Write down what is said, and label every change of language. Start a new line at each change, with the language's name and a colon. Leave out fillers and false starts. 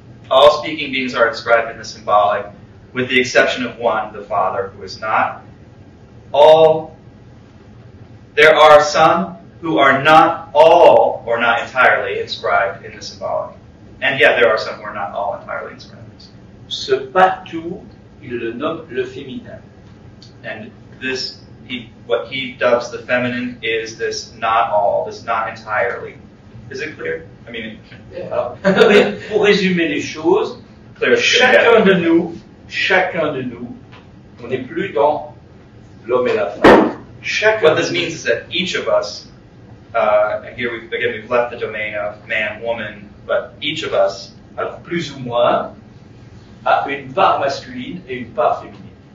English: All speaking beings are inscribed in the symbolic, with the exception of one, the father, who is not. All. There are some who are not all, or not entirely, inscribed in the symbolic. And yet, there are some who are not all entirely inscribed.
French: Ce pas tout, il le nomme le féminin.
English: And this, what he dubs the feminine, is this not all, this not entirely. Is it clear? I mean,
French: yeah. Pour résumer les choses,
English: clear,
French: chacun de nous, on n'est plus dans l'homme et la femme.
English: What this means is that each of us, and here we've left the domain of man, woman, but each of us,
French: plus ou moins, a une part masculine et une part féminine.